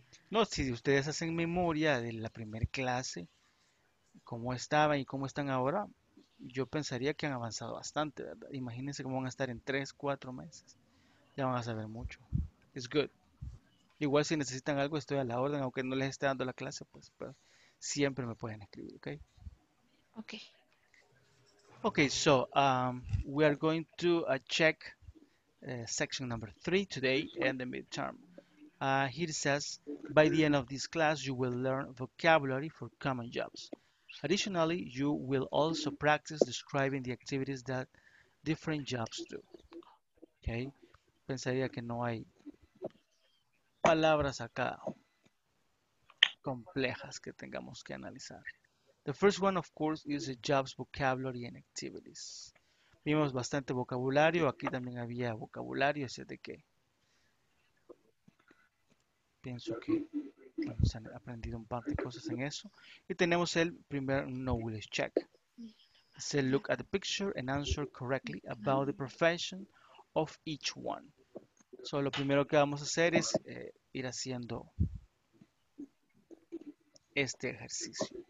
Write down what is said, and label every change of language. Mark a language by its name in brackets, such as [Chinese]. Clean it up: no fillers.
[Spanish] No, si ustedes hacen memoria de la primera clase... cómo estaban y cómo están ahora, yo pensaría que han avanzado bastante, ¿verdad? Imagínense cómo van a estar en 3, 4 meses. Ya van a saber mucho. It's good. Igual si necesitan algo, estoy a la orden, aunque no les esté dando la clase, pues pero siempre me pueden escribir, ¿ok? Ok. [English] Ok, so we are going to check section number 3 today and the midterm. Here it says, by the end of this class, you will learn vocabulary for common jobs. Additionally, you will also practice describing the activities that different jobs do. Okay. [Spanish] Pensaría que no hay palabras acá complejas que tengamos que analizar. [English] The first one, of course, is the jobs vocabulary and activities. [Spanish] Vimos bastante vocabulario. Aquí también había vocabulario, así de que pienso que... bueno, se han aprendido un par de cosas en eso. Y tenemos el primer knowledge check. [English] Say, look at the picture and answer correctly about the profession of each one. [Spanish] So, lo primero que vamos a hacer es ir haciendo este ejercicio.